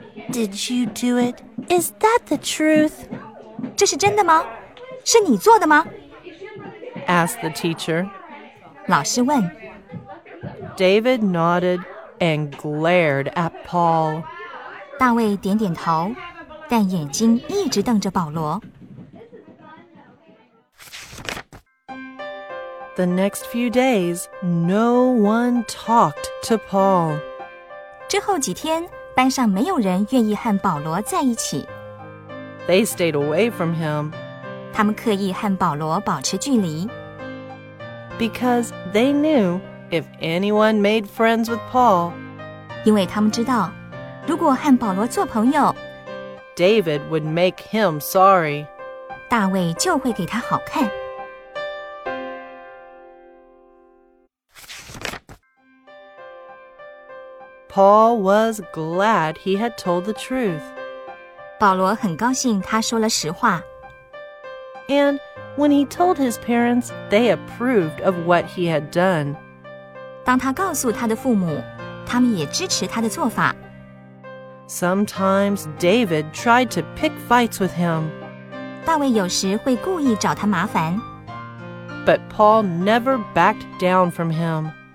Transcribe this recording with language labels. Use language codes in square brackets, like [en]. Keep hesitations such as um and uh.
[en] Did you do it? Is that the truth? [zh] 这是真的吗？是你做的吗？ [en] Asked the teacher. [zh] 老师问。 [en] David nodded and glared at Paul. [zh] 大卫点点头，但眼睛一直瞪着保罗。 [en] The next few days, no one talked to Paul. [zh] 之后几天，班上没有人愿意和保罗在一起。 [en] They stayed away from him. [zh] 他们刻意和保罗保持距离。 [en] Because they knew if anyone made friends with Paul， [zh] 因为他们知道，如果和保罗做朋友， [en] David would make him sorry。 [zh] 大卫就会给他好看。 [en] Paul was glad he had told the truth. [zh] 保罗很高兴他说了实话。 [en] And when he told his parents, they approved of what he had done. [zh] 当他告诉他的父母，他们也支持他的做法。 [en] Sometimes David tried to pick fights with him. [zh] 大卫有时会故意找他麻烦。 [en] But Paul never backed down from him.